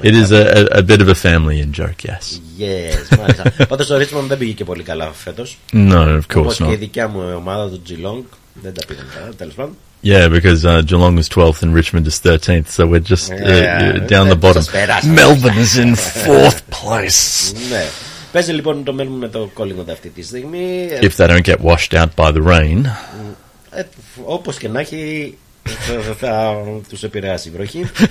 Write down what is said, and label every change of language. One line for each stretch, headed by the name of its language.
English: It is a bit of a family in joke. Yes. Yes. But the Richmond didn't play very well this year. No, of course not. Yeah, because Geelong is 12th and Richmond is 13th, so we're just down the bottom. Melbourne is in 4th place.
Greek: Παίζει λοιπόν το Melbourne με το Collingwood αυτή τη στιγμή.
English: If they don't get washed out by the rain.
Greek: Όπως και να έχει, θα τους επηρεάσει η βροχή.